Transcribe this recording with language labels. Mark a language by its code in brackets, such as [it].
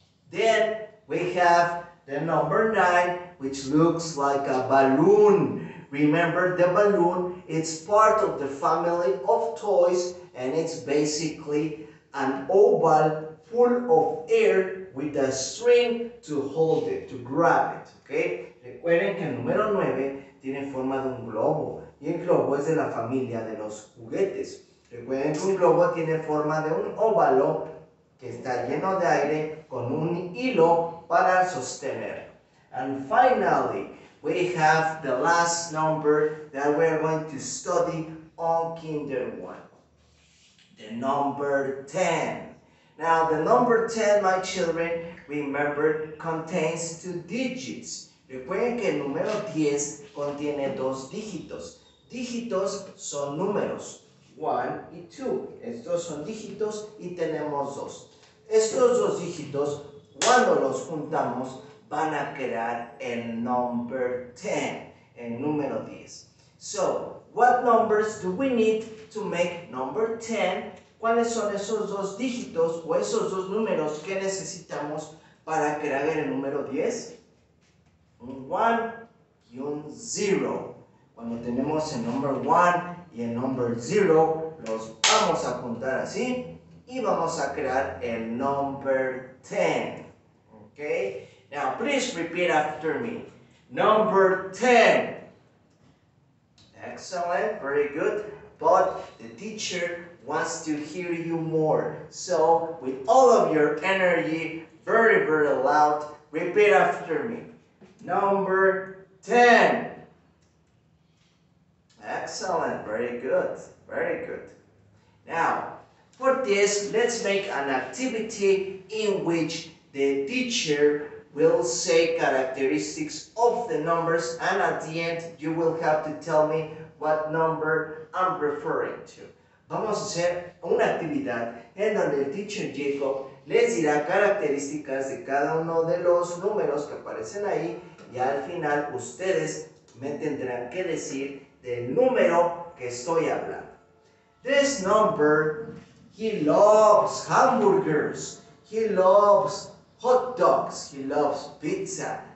[en] Then we have the number nine, which looks like a balloon. Remember, the balloon, it's part of the family of toys, and it's basically an oval full of air with a string to hold it, to grab it, okay? [es] Recuerden que el número 9 tiene forma de un globo, y el globo es de la familia de los juguetes. Recuerden que un globo tiene forma de un óvalo que está lleno de aire con un hilo para sostener. [en] And finally, we have the last number that we are going to study on Kinder 1. The number 10. Now, the number 10, my children, remember, contains two digits. [es] Recuerden que el número 10 contiene dos dígitos. Dígitos son números, 1 y 2. Estos son dígitos y tenemos dos. Estos dos dígitos, cuando los juntamos, van a crear el number 10, el número 10. [en] So, what numbers do we need to make number 10? [es] ¿Cuáles son esos dos dígitos o esos dos números que necesitamos para crear el número 10? Un 1 y un 0. Cuando tenemos el number 1 y el number 0, los vamos a juntar así y vamos a crear el number 10. [en] ¿Ok? Now, please repeat after me. Number 10. Excellent, very good. But the teacher wants to hear you more. So with all of your energy, very, very loud, repeat after me. Number 10. Excellent, very good, very good. Now, for this, let's make an activity in which the teacher will say characteristics of the numbers, and at the end, you will have to tell me what number I'm referring to. [es] Vamos a hacer una actividad en donde el teacher Jacob les dirá características de cada uno de los números que aparecen ahí, y al final ustedes me tendrán que decir del número que estoy hablando. [en] This number, he loves hamburgers, he loves hot dogs, he loves pizza.